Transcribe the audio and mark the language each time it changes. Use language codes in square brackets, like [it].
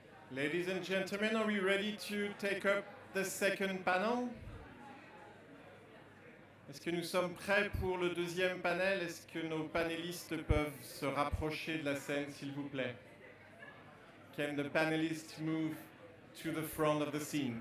[en] Ladies and gentlemen, are we ready to take up the second panel? [fr] Est-ce que nous sommes prêts pour le deuxième panel? Est-ce que nos panélistes peuvent se rapprocher de la scène, s'il vous plaît? [en] Can the panelists move to the front of the scene?